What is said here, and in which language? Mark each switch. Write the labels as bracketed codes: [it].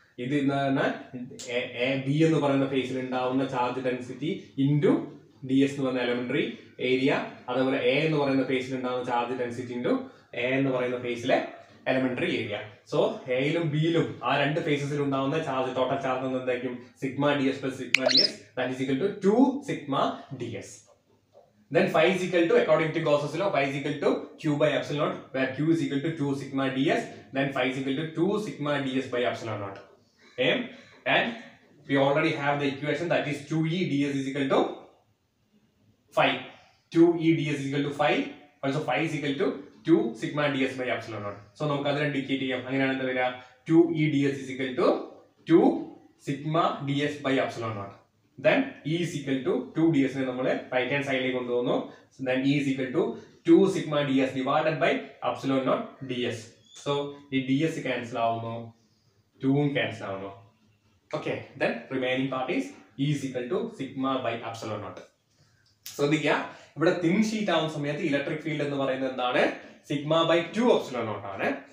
[ml] ഇത് എന്ന് പറഞ്ഞാൽ എ ബി എന്ന് പറയുന്ന ഫേസിൽ ഉണ്ടാവുന്ന charge density into D S എന്ന് പറയുന്ന എലമെന്ററി ഏരിയ, അതേപോലെ എ എന്ന് പറയുന്ന ഫേസിൽ ഉണ്ടാവുന്ന ചാർജ് ഡെൻസിറ്റി ഇൻറ്റു എ എന്ന് പറയുന്ന ഫേസിലെ എലമെന്ററി ഏരിയ. സോ എയിലും ബിയിലും ആ രണ്ട് ഫേസസിൽ ഉണ്ടാവുന്ന ചാർജ് ടോട്ടൽ ചാർജ് എന്തായിരിക്കും, sigma D S plus sigma D S, [en] That is equal to 2 sigma D S. Then phi is equal to, according to Gauss's law, phi is equal to q by epsilon naught, where q is equal to 2 sigma ds, then phi is equal to 2 sigma ds by epsilon naught. And we already have the equation, that is 2e ds is equal to phi. 2e ds is equal to phi, also phi is equal to 2 sigma ds by epsilon naught. So, we will indicate here, how do we say 2e ds is equal to 2 sigma ds by epsilon naught. Then E is equal to 2 ds [ml] നെ നമ്മൾ right hand സൈഡിലേക്ക് കൊണ്ടുവന്നു. [en] So then E is equal to 2 sigma ds divided by epsilon naught ds. [ml] So ഈ ds cancel ആവുന്നു, 2 ഉം cancel ആവുന്നു. [en] Okay, then remaining part is E is equal to sigma by epsilon naught. [ml] ശ്രദ്ധിക്കുക, ഇവിടെ thin sheet ആവുന്ന സമയത്ത് electric field എന്ന് പറയുന്നത് എന്താണ്? Sigma by two epsilon naught ആണ്.